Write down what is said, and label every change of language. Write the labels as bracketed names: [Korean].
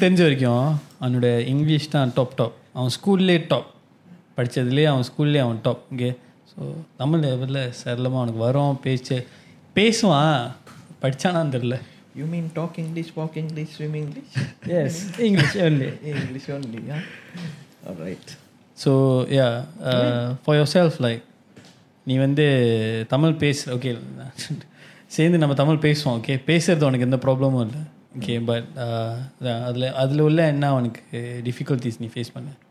[Tamil] தெரிஞ்ச வரைக்கும் அவனோட இங்கிலீஷ் தான் டாப் டாப். அவன் ஸ்கூல்லே டாப் படித்ததுலேயே, அவன் ஸ்கூல்லேயே அவன் டாப். இங்கே ஸோ தமிழ் லெவலில் சரளமாக அவனுக்கு வரும், பேசுவான், படித்தானா தெரியல. [English] You mean talk English, walk English, swim English? Yes, English only. English only, yeah. All right. So, yeah, for yourself, like, [Tamil] நீ வந்து தமிழ் பேசுற ஓகே சேர்ந்து நம்ம தமிழ் பேசுவோம் ஓகே, பேசுறது உனக்கு எந்த ப்ராப்ளமும் இல்லை ஓகே, பட் அதில் அதில் உள்ள என்ன உனக்கு டிஃபிகல்ட்டிஸ் நீ ஃபேஸ் பண்ண